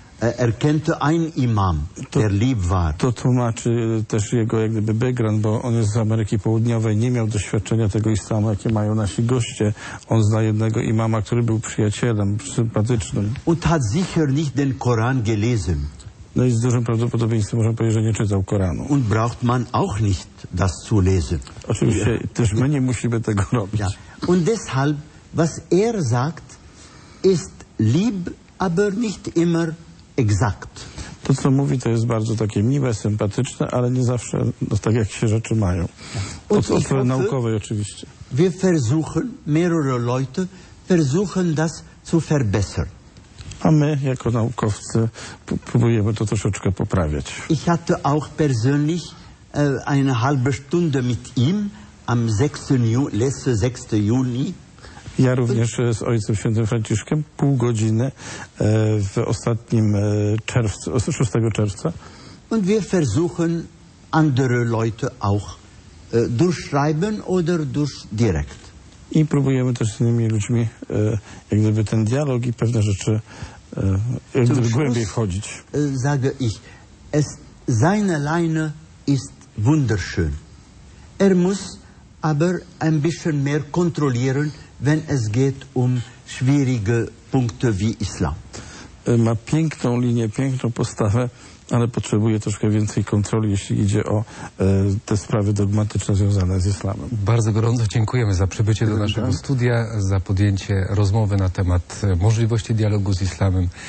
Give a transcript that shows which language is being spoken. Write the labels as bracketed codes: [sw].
[de] erkannte ein Imam, der lieb war. [pl] To tłumaczy też jego jak gdyby background, bo on jest z Ameryki Południowej, nie miał doświadczenia tego islamu, jakie mają nasi goście. On zna jednego imama, który był przyjacielem, sympatycznym. [de] Und hat sicher nicht den Koran gelesen. [pl] No i z dużym prawdopodobieństwem można powiedzieć, że nie czytał Koranu. [de] Und braucht man auch nicht das zu lesen. [pl] Oczywiście też my nie musimy tego robić. Ja. [de] Und deshalb, was sagt, ist lieb, aber nicht immer exakt. [pl] To, co mówi, to jest bardzo takie miłe, sympatyczne, ale nie zawsze no, tak, jak się rzeczy mają. Od strony naukowej oczywiście. [de] Wir versuchen, mehrere Leute versuchen das zu verbessern. [pl] A my, jako naukowcy, próbujemy to troszeczkę poprawiać. [de] Ich hatte auch persönlich eine halbe Stunde mit ihm am 6. Juni. [pl] Ja również z Ojcem Świętym Franciszkiem pół godziny w ostatnim czerwcu, 6 czerwca. [de] Und wir versuchen andere Leute auch durchschreiben oder durch direkt. [pl] I próbujemy też z innymi ludźmi jak gdyby ten dialog i pewne rzeczy jak gdyby głębiej wchodzić. [de] Sage ich, es seine Leine ist wunderschön. Er muss aber ein bisschen mehr kontrollieren, wenn es geht schwierige Punkte wie Islam. [pl] Ma piękną linię, piękną postawę, ale potrzebuje troszkę więcej kontroli, jeśli idzie o te sprawy dogmatyczne związane z islamem. Bardzo gorąco dziękujemy za przybycie do naszego studia, za podjęcie rozmowy na temat możliwości dialogu z islamem.